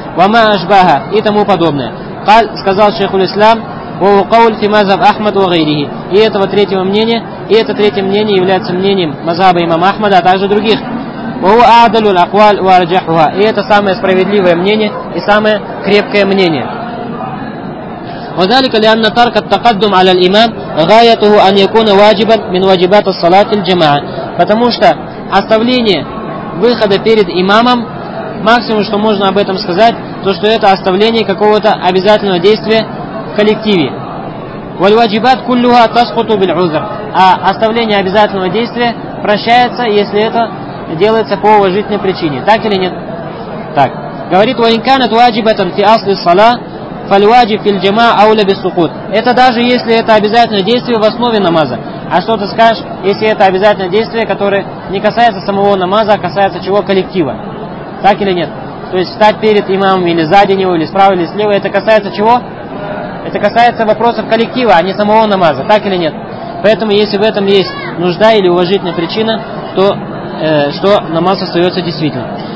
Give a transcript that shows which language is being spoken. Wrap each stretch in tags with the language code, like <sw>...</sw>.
<ar>Вама ашбага</ar> <ru>и тому подобное.</ru> <ar>Каль,</ar> <ru>сказал шейхуль ислам,</ru> <ar>ву кауль фимазаб ахмад ва гайрихи.</ar> <ru>И этого третьего мнения, и это третье мнение является мнением мазаба имама Ахмада, а также других.</ru> <ar>Ву аадалю лакваль ва арджахуа.</ar> <ru>И это самое справедливое мнение и самое крепкое мнение.</ru> <ar>وذلك لأن ترك التقدم على الإمام غايته أن يكون واجبا من واجبات الصلاة الجماعة.</ar> <ru>Потому что оставление выхода перед имамом, максимум, что можно об этом сказать, то что это оставление какого-то обязательного действия в коллективе.</ru> <ar>والواجبات كلها تسقط بالعذر.</ar> <ru>А оставление обязательного действия прощается, если это делается по уважительной причине. Так или нет? Так. Говорит,</ru> <ar>وإن كانت واجبة في أصل الصلاة فالواجب في الجماعة أولى بالسقوط.</ar> <ru>Это даже если это обязательное действие в основе намаза. А что ты скажешь, если это обязательное действие, которое не касается самого намаза, а касается чего? Коллектива. Так или нет? То есть встать перед имамом или сзади него, или справа, или слева, это касается чего? Это касается вопросов коллектива, а не самого намаза. Так или нет? Поэтому если в этом есть нужда или уважительная причина, то что намаз остается действительно.</ru>